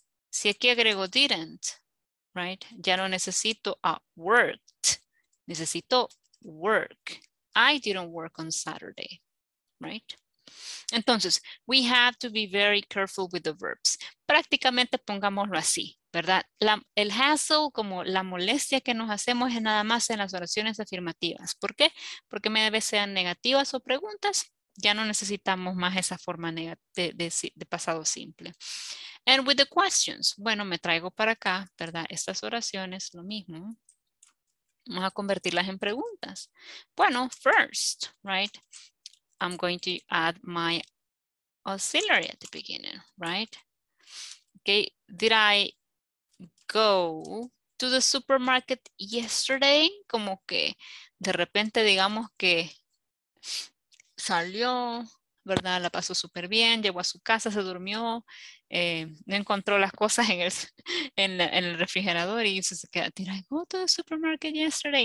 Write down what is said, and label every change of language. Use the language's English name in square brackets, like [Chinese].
[Spanish] Si aquí agrego didn't, right? Ya no necesito a worked. Necesito [English] work. I didn't work on Saturday, right? [Spanish] Entonces, [English] we have to be very careful with the verbs. [Spanish] Prácticamente pongámoslo así, ¿verdad? El hassle, como la molestia que nos hacemos es nada más en las oraciones afirmativas. ¿Por qué? Porque me debe sean negativas o preguntas. Ya no necesitamos más esa forma de pasado simple. [English] And with the questions, [Spanish] bueno, me traigo para acá, ¿verdad? Estas oraciones, lo mismo. Vamos a convertirlas en preguntas. Bueno, [English] first, [Spanish] right? [English] I'm going to add my auxiliary at the beginning, right? Okay, did I go to the supermarket yesterday? [Spanish] Como que de repente digamos que salió, ¿verdad? La pasó súper bien, llegó a su casa, se durmió, no encontró las cosas en el refrigerador y se queda, [English] did I go to the supermarket yesterday?